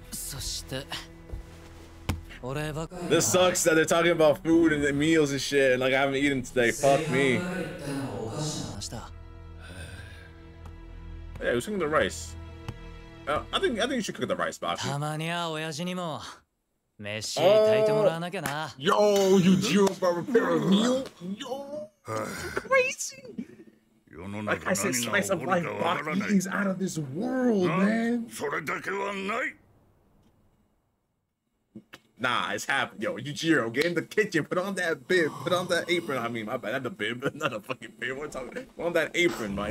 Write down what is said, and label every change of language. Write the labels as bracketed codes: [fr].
[en] This sucks that they're talking about food and meals and shit, and like I haven't eaten today. Fuck me. Yeah, who's cooking the rice? I think you should cook the rice, Baki. [ja] たまには親父にも飯炊いてもらわなきゃな。 [en] Yo, you do for a pair of meal? Yo, crazy! Like I said, slice of life, Baki is out of this world, man. [ja] それだけはない。 [en] Nah, it's happening. Yo, Yujiro, get in the kitchen. Put on that bib. Put on that apron. I mean, my bad. Not the bib. Not a fucking bib. We're talking. Put on that apron, man.